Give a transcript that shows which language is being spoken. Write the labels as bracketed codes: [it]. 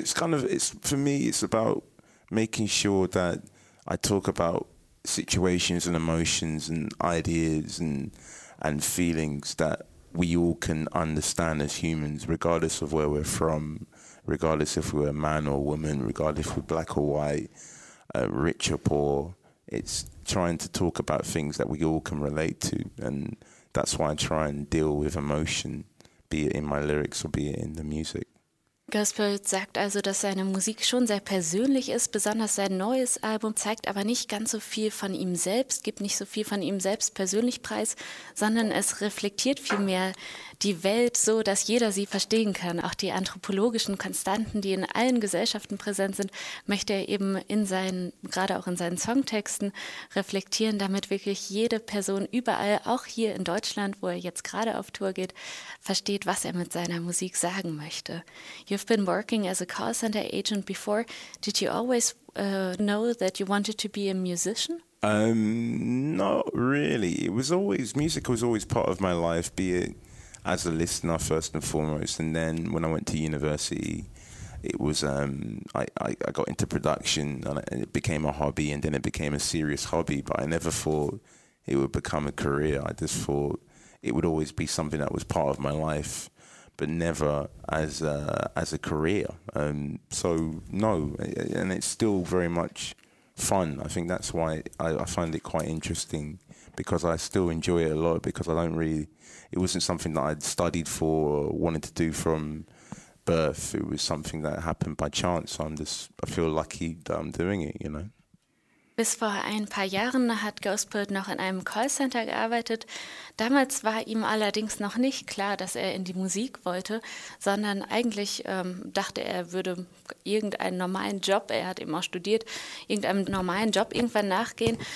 [en] It's about making sure that I talk about situations and emotions and ideas and feelings that we all can understand as humans, regardless of where we're from, regardless if we're a man or woman, regardless if we're black or white, rich or poor. It's trying to talk about things that we all can relate to, and that's why I try and deal with emotion, be it in my lyrics or be it in the music. [de] Ghost Poet sagt also, dass seine Musik schon sehr persönlich ist, besonders sein neues Album zeigt aber nicht ganz so viel von ihm selbst, gibt nicht so viel von ihm selbst persönlich preis, sondern es reflektiert vielmehr die Welt so, dass jeder sie verstehen kann. Auch die anthropologischen Konstanten, die in allen Gesellschaften präsent sind, möchte er eben in seinen, gerade auch in seinen Songtexten reflektieren, damit wirklich jede Person überall, auch hier in Deutschland, wo er jetzt gerade auf Tour geht, versteht, was er mit seiner Musik sagen möchte. [en] You've been working as a call center agent before. Did you always know that you wanted to be a musician? Not really. It was always, music was always part of my life, be it as a listener first and foremost. And then when I went to university, it was, I got into production and it became a hobby, and then it became a serious hobby. But I never thought it would become a career. I just thought it would always be something that was part of my life, but never as a career. So no, and it's still very much fun. I think that's why I find it quite interesting, because I still enjoy it a lot, because I don't really, it wasn't something that I'd studied for or wanted to do from birth. It was something that happened by chance. So I feel lucky that I'm doing it, you know. [de] Bis vor ein paar Jahren hat Gospel noch in einem Callcenter gearbeitet. Damals war ihm allerdings noch nicht klar, dass er in die Musik wollte, sondern eigentlich dachte er, würde irgendeinen normalen Job, er hat eben auch studiert, irgendeinem normalen Job irgendwann nachgehen.